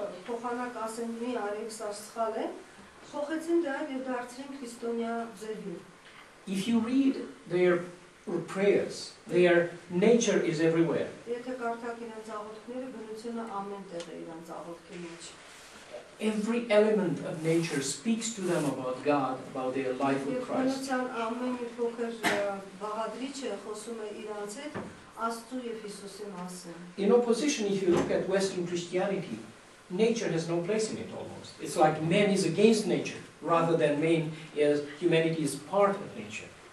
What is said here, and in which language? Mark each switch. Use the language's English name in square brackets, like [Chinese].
[Armenian] փոխանակ ասեն մի արեք սարսխալ է, փոխեցին դա եւ դարձրին քրիստոնյա ձևի. [English] If you read their prayers, their nature is everywhere. [Armenian] Եթե կարդաք իրենց աղոթքները, բնությունը ամեն տեղ է իրենց աղոթքի մեջ. [English] Every element of nature speaks to them about God, about their life with Christ. [Armenian] Ամեն մի փոքր բաղադրիչը խոսում է իրենց հետ Աստծու եւ Հիսուսի մասին. [English] In opposition, if you look at Western Christianity, nature has no place in it almost. It's like man is against nature, rather than man is humanity is part of nature.